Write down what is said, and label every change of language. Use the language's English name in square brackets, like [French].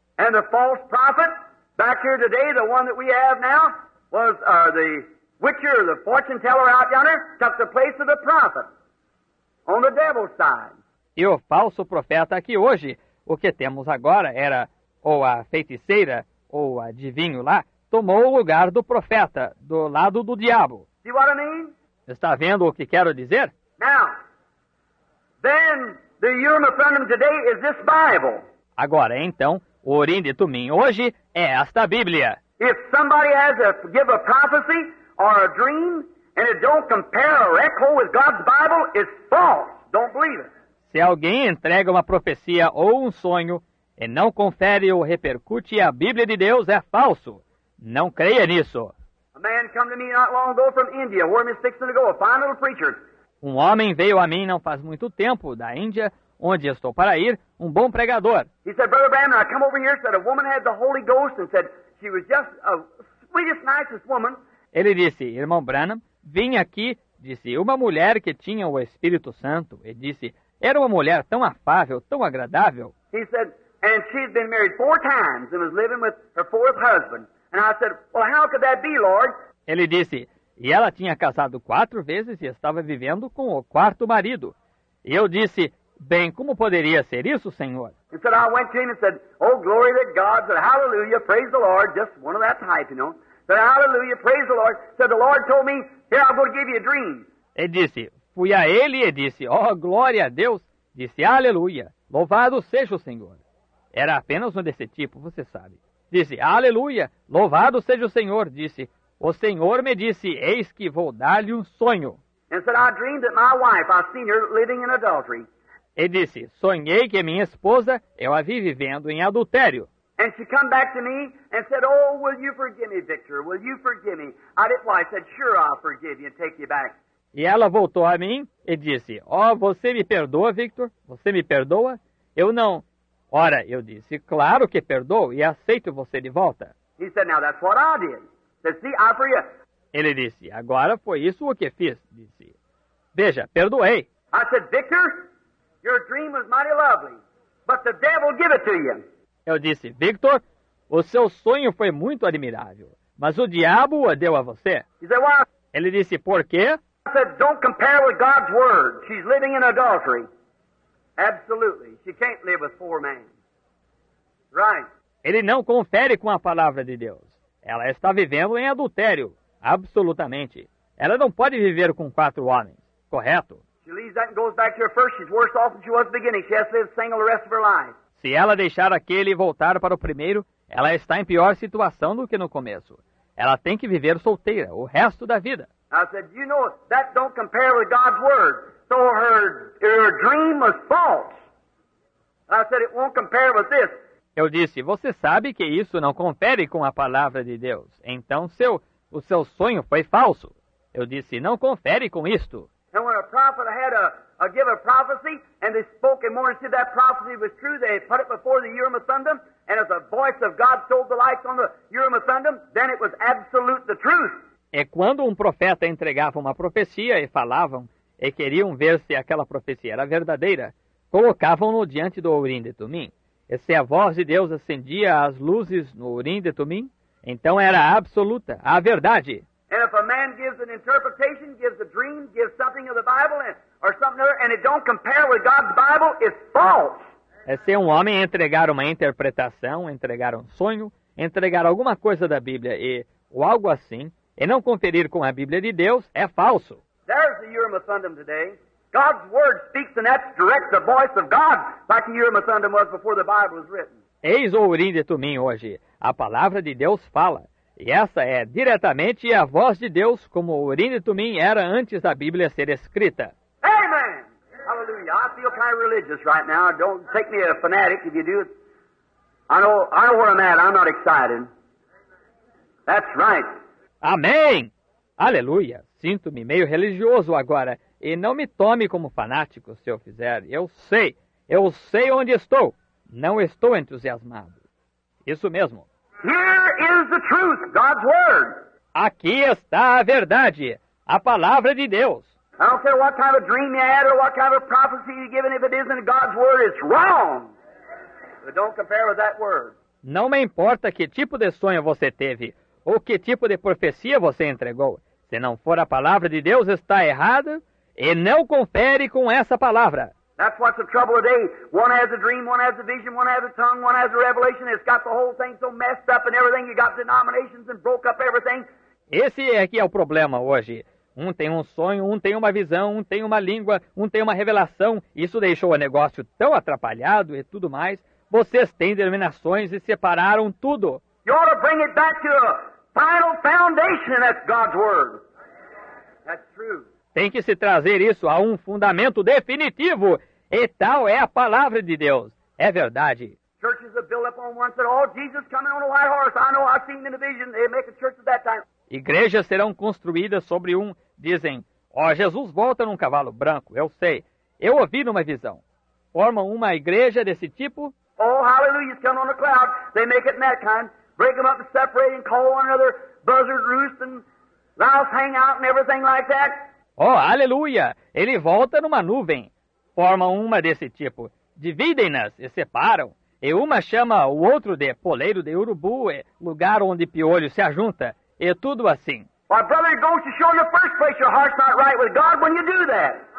[English] And the false prophet back here today, the one that we have now, was the witcher, the fortune teller out yonder, took the place of the prophet on the devil's side. [Portuguese] E o falso profeta aqui hoje, o que temos agora era ou a feiticeira, ou o adivinho lá, tomou o lugar do profeta, do lado do diabo. [English] See what I mean? [Portuguese] Está vendo o que quero dizer? [English] Now, then, the Urim and Thummim today is this Bible. [Portuguese] Agora, então, O Urim de Tumim hoje é esta Bíblia. [English] If somebody has to give a prophecy or a dream and it don't compare or echo with God's Bible, it's false. Don't believe it. [Portuguese] Se alguém entrega uma profecia ou um sonho e não confere ou repercute a Bíblia de Deus, é falso. Não creia nisso. [English] A man come to me not long ago from India, where he's fixing to go, a fine little preacher. [Portuguese] Um homem veio a mim não faz muito tempo, da Índia, onde estou para ir, um bom pregador. [English] He said, Brother Bram, I come over here, said a woman had the Holy Ghost and said, she was just a sweetest, nicest woman. [Portuguese] Ele disse, irmão Branham, vim aqui, disse, uma mulher que tinha o Espírito Santo. E disse, era uma mulher tão afável, tão agradável. [English] He said, and she'd been married four times and was living with her fourth husband. And I said, well, how could that be, Lord? [Portuguese] Ele disse, e ela tinha casado quatro vezes e estava vivendo com o quarto marido. E eu disse, bem, como poderia ser isso, Senhor? [English] He said, I went to him and said, oh, glory to God. Said, hallelujah, praise the Lord. Just one of that type, you know. Said, hallelujah, praise the Lord. Said, the Lord told me, here, I'm going to give you a dream. [Portuguese] E disse, fui a ele e disse, oh, glória a Deus. Disse, aleluia, louvado seja o Senhor. Era apenas um desse tipo, você sabe. Disse, aleluia, louvado seja o Senhor. Disse, o Senhor me disse, eis que vou dar-lhe um sonho. [English] And said, I dreamed that my wife, I seen her living in adultery. [Portuguese] E disse, sonhei que minha esposa, eu a vi vivendo em adultério. [English] And she come back to me and said, oh, will you forgive me, Victor? Will you forgive me? I didn't lie. I said, sure, I'll forgive you and take you back. [Portuguese] E ela voltou a mim e disse, oh, você me perdoa, Victor? Você me perdoa? Eu não. Ora, eu disse, claro que perdoo e aceito você de volta. [English] He said, now that's what I did. Said, see, I forgive. [Portuguese] Ele disse, agora foi isso o que fiz, disse. Veja, perdoei. [English] I said, Victor, your dream was mighty lovely, but the devil give it to you. [Portuguese] Eu disse, Victor, o seu sonho foi muito admirável, mas o diabo o deu a você. [English] He said, why? [Portuguese] Ele disse, por quê? [English] I said, don't compare with God's word. She's living in adultery. Absolutely. She can't live with four men. Right. [Portuguese] Ele não confere com a palavra de Deus. Ela está vivendo em adultério. Absolutamente. Ela não pode viver com quatro homens. Correto. [English] She leaves that and goes back to her first. She's worse off than she was at the beginning. She has to live single the rest of her life. [Portuguese] Se ela deixar aquele e voltar para o primeiro, ela está em pior situação do que no começo. Ela tem que viver solteira o resto da vida. [English] I said, you know, that don't compare with God's word. So her dream was false. I said, it won't compare with this. [Portuguese] Eu disse, você sabe que isso não confere com a palavra de Deus. Então, o seu sonho foi falso. Eu disse, não confere com isto. [English] And when a prophet had a give a prophecy, and they spoke in morning, said that prophecy was true, they put it before the Urim and Thummim, and as the voice of God told the lights on the Urim and Thummim, then it was absolute the truth. [Portuguese] E quando um profeta entregava uma profecia e falavam, e queriam ver se aquela profecia era verdadeira, colocavam-no diante do Urim de Tumim. E se a voz de Deus acendia as luzes no Urim de Tumim, então era absoluta, a verdade. [English] And if a man gives an interpretation, gives a dream, gives something of the Bible or something other, and it don't compare with God's Bible, it's false. [Portuguese] É se um homem entregar uma interpretação, entregar um sonho, entregar alguma coisa da Bíblia e ou algo assim, e não conferir com a Bíblia de Deus, é falso. [English] There's the Urim and Thummim today. God's word speaks and that's direct the voice of God, like the Urim and Thummim was before the Bible was written. [Portuguese] Eis o Urim de Tumim hoje. A palavra de Deus fala. E essa é diretamente a voz de Deus, como o Urim e Tumim era antes da Bíblia ser escrita. [English] Amen! Hallelujah. I feel kind of religious right now. Don't take me a fanatic if you do. I know where I'm at. I'm not excited. That's right. [Portuguese] Amém! Aleluia. Sinto-me meio religioso agora. E não me tome como fanático se eu fizer. Eu sei. Eu sei onde estou. Não estou entusiasmado. Isso mesmo. [English] Here is the truth, God's word. [Portuguese] Aqui está a verdade, a palavra de Deus. [English] I don't care what kind of dream you had or what kind of prophecy you've given, if it isn't God's word, it's wrong. But don't compare with that word. [Portuguese] Não me importa que tipo de sonho você teve ou que tipo de profecia você entregou. Se não for a palavra de Deus, está errado e não confere com essa palavra. [English] That's what's the trouble today. One has a dream, one has a vision, one has a tongue, one has a revelation. It's got the whole thing so messed up and everything. You got denominations and broke up everything. [Portuguese] Esse aqui é o problema hoje. Um tem um sonho, um tem uma visão, um tem uma língua, um tem uma revelação. Isso deixou o negócio tão atrapalhado e tudo mais. Vocês têm determinações e separaram tudo. [English] You ought to bring it back to a final foundation, and that's God's word. That's true. [Portuguese] Tem que se trazer isso a um fundamento definitivo. E tal é a palavra de Deus. É verdade. [English] Churches are built up on one side. Oh, Jesus coming on a white horse. I know, I've seen in a vision. They make a church at that time. [Portuguese] Igrejas serão construídas sobre um, dizem, ó, Jesus volta num cavalo branco, eu sei. Eu ouvi numa visão. Formam uma igreja desse tipo? [English] Oh, hallelujah, it's coming on a cloud. They make it in that time. Break them up and separate and call one another. Buzzards roost and mouths hang out and everything like that. [Portuguese] Oh, aleluia, ele volta numa nuvem. Formam uma desse tipo. Dividem-nas e separam. E uma chama o outro de poleiro de urubu, lugar onde piolho se ajunta. E tudo assim. [English] My brother, it goes to show in the first place your heart's not right with God when you do that.